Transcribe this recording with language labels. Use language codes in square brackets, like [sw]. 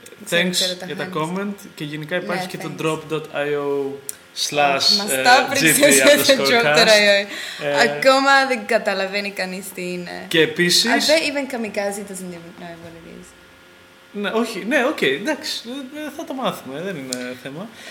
[en] Thanks [el] για τα comment και γενικά υπάρχει και το drop.io /gp_drop.io. Ακόμα δεν καταλαβαίνει κανείς τι είναι. Και επίσης... [en] I bet even Kamikaze doesn't even know what it is. [el] Ναι, όχι, ναι, οκ, okay, εντάξει, θα το μάθουμε, δεν είναι θέμα.